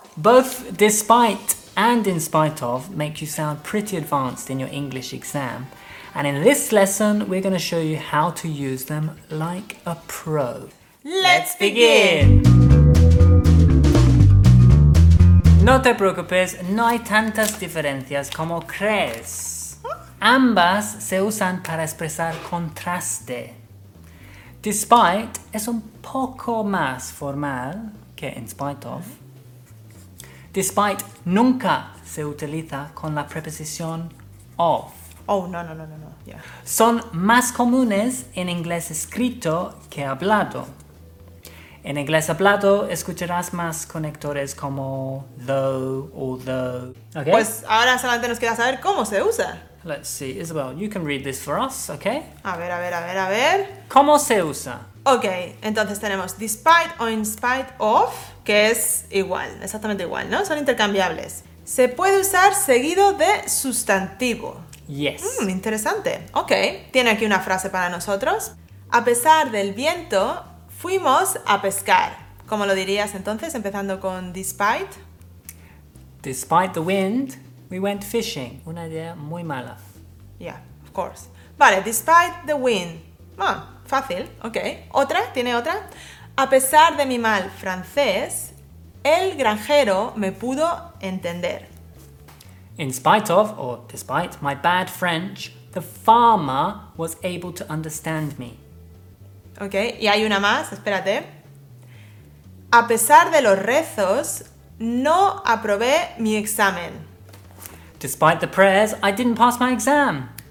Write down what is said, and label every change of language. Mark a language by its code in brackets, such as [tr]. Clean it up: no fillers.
[en] Both despite and in spite of make you sound pretty advanced in your English exam. And in this lesson, we're going to show you how to use them like a pro. Let's begin! [es] No te preocupes, no hay tantas diferencias como crees. Ambas se usan para expresar contraste. Despite es un poco más formal que in spite of. Despite nunca se utiliza con la preposición of. Oh, no. Yeah. Son más comunes en inglés escrito que hablado. En inglés hablado escucharás más conectores como though, although. [en] Okay? [es] Pues ahora solamente nos queda saber cómo se usa. [en] Let's see, Isabel, you can read this for us, okay? [es] A ver. ¿Cómo se usa? Okay, entonces tenemos despite o in spite of, que es igual, exactamente igual, ¿no? Son intercambiables. Se puede usar seguido de sustantivo. [en] Yes. [es] Interesante. Okay, tiene aquí una frase para nosotros. A pesar del viento, fuimos a pescar. ¿Cómo lo dirías entonces, empezando con despite? [en] Despite the wind, we went fishing. [es] Una idea muy mala. [en] Yeah, of course. Vale, despite the wind. Ah, fácil, ok. [es] ¿Otra? ¿Tiene otra? A pesar de mi mal francés, el granjero me pudo entender. [en] In spite of, or despite, my bad French, the farmer was able to understand me. [es] Ok, y hay una más, espérate. A pesar de los rezos, no aprobé mi examen. [en] Despite the prayers, I didn't pass my exam.